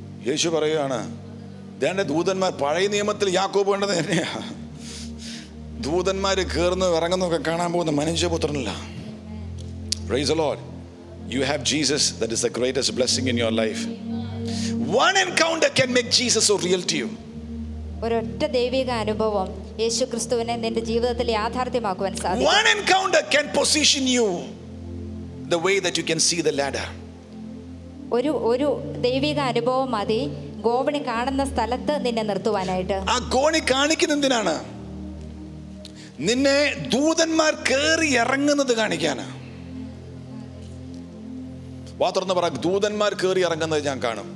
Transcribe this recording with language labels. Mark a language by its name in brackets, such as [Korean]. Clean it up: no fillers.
[Malayalam] യേശു പറയുകയാണ്, ദേണ്ട ദൂതന്മാർ പഴയ നിയമത്തിൽ യാക്കോബ് കണ്ടത് തന്നെയാ. ദൂതന്മാർ കയറുന്നു ഇറങ്ങുന്ന ഒക്കെ കാണാൻ പോകുന്ന മനുഷ്യപുത്രനല്ല. [English] Praise the Lord. You have Jesus. That is the greatest blessing in your life. One encounter can make Jesus so real to you. [Malayalam] ഒരു ഒറ്റ ദൈവിക അനുഭവം യേശുക്രിസ്തുവിനെ നിന്റെ ജീവിതത്തിൽ യാഥാർത്ഥ്യമാക്കുവാൻ സാധിക്കും. [English] One encounter can position you the way that you can see the ladder. [Malayalam] ഒരു ഒരു ദൈവിക അനുഭവം മതി ഗോവണി കാണുന്ന സ്ഥലത്ത് നിന്നെ നിർത്തുവാനായിട്ട്. ആ ഗോണി കാണിക്കുന്ന എന്തിനാണ്? നിന്നെ ദൂതന്മാർ കയറി ഇറങ്ങുന്നത് കാണിക്കാനാ. വാത്രന്ന് പറ ദൂതന്മാർ കയറി ഇറങ്ങുന്നത് ഞാൻ കാണും.